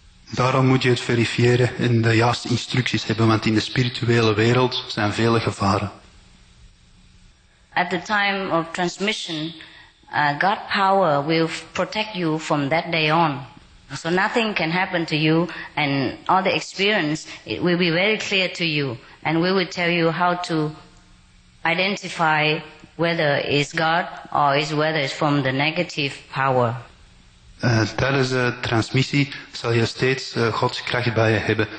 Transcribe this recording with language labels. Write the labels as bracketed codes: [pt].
[nl] Daarom moet je het verifiëren en de juiste instructies hebben, want in de spirituele wereld zijn vele gevaren. [en] At the time of transmission, God power will protect you from that day on. So nothing can happen to you and all the experience, it will be very clear to you. And we will tell you how to identify whether it's God or whether it's from the negative power. [nl] Tijdens de transmissie zal je steeds Gods kracht bij je hebben.